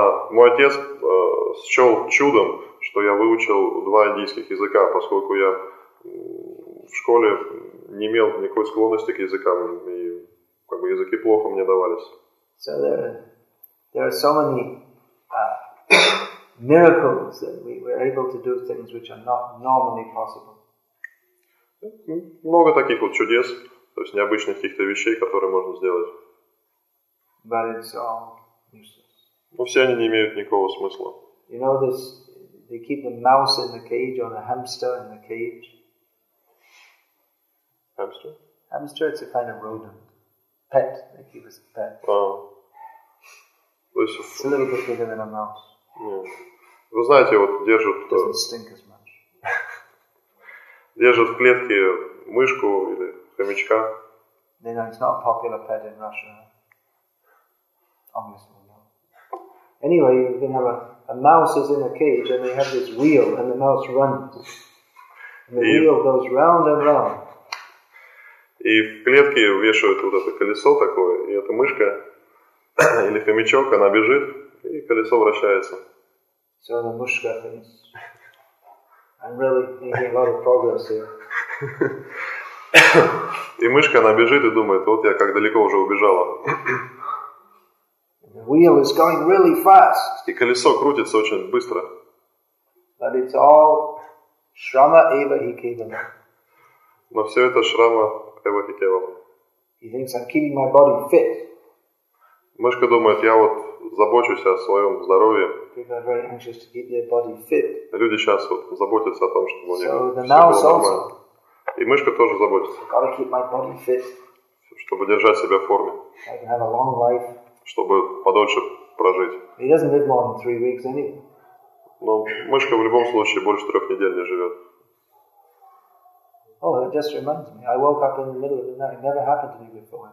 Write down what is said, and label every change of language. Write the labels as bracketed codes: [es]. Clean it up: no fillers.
[ru] Мой отец счел чудом, что я выучил 2 индийских языка, поскольку я в школе не имел никакой склонности к языкам, и как бы языки плохо мне давались. [en] So there are so many miracles that we were able to do things which are not normally possible. [ru] Много таких вот чудес, то есть необычных каких-то вещей, которые можно сделать. [en] But it's all useless. [ru] Но все они не имеют никакого смысла. [en] You know this, they keep a mouse in the cage or a hamster in the cage. Hamster? Hamster, it's a kind of rodent. Pet, they keep as a pet. [ru] То есть, [en] it's a little bit bigger than a mouse. Yeah. [ru] Вы знаете, вот держат... [en] It doesn't stink as much. [ru] Держат в клетке мышку или хомячка. [en] No, no, it's not a popular pet in Russia. Obviously not. Anyway, you can have a mouse is in a cage and they have this wheel and the mouse runs. And the wheel goes round and round. [ru] И в клетке вешают вот это колесо такое, и эта мышка или хомячок, она бежит, и колесо вращается. [en] So the mushka is... I'm really making a lot of progress here. [ru] И мышка, она бежит и думает, вот я как далеко уже убежала. [en] The wheel is going really fast. [ru] И колесо крутится очень быстро. [en] But it's all [sa] Shrama Eva Hikivana. [ru] Но все это шрама его тела. [en] He thinks I'm keeping my body fit. [ru] Мышка думает, я вот забочусь о своем здоровье. [en] People are very anxious to keep their body fit. [ru] Люди сейчас вот заботятся о том, чтобы у них все было нормально. И мышка тоже заботится. [en] Gotta keep my body fit. [ru] Чтобы держать себя в форме. [en] I can have a long life. [ru] Чтобы подольше прожить. [en] He doesn't live more than 3 weeks, anyway. [ru] Но мышка в любом случае больше 3 недель не живет. [en] Oh, it just reminds me. I woke up in the middle of the night. It never happened to me before.